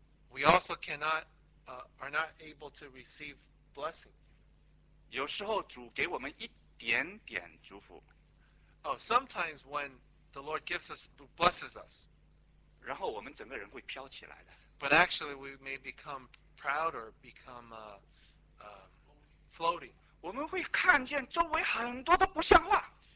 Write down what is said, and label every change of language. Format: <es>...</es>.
<en>We also are not able to receive blessing.</en> <zh>有时候主给我们一点点祝福。</zh> <en>Oh, sometimes when the Lord blesses us.</en> <zh>然后我们整个人会飘起来的。</zh> <en>But actually, we may become proud or become floating.</en> <zh>我们会看见周围很多都不像话。</zh>